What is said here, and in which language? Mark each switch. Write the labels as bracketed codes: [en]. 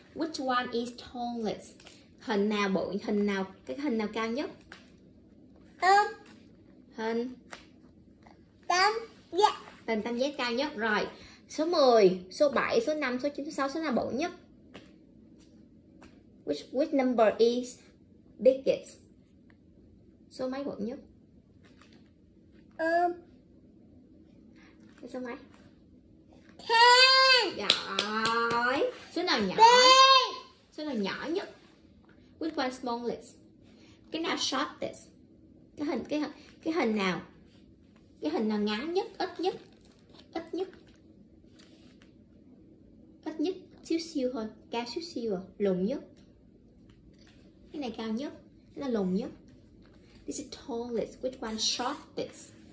[en] Which one is tallest? [vi] Hình nào bự, hình nào, cái hình nào cao nhất? Hình tam giác. Hình tam giác cao nhất. Rồi, số 10, số 7, số 5, số 9, số 6, số nào bự nhất? [en] Which number is biggest? [vi] Số mấy bự nhất? Số mấy? 10. Giỏi. Số nào nhỏ? Số nào nhỏ nhất? [en] Which one smallest? [vi] Cái nào shortest? Cái hình nào? Cái hình nào ngắn nhất, ít nhất? Ít nhất. Ít nhất xíu xíu thôi, cao xíu xíu à, lùn nhất. Cái này cao nhất, cái này lùn nhất. [en] This is tallest, which one shortest?